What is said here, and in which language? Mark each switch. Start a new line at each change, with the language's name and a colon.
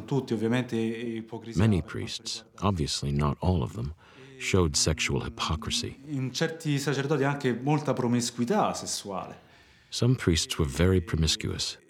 English: Many priests, obviously not all of them, showed sexual hypocrisy.
Italian: In certi sacerdoti anche molta promiscuità sessuale.
English: Some priests were very promiscuous.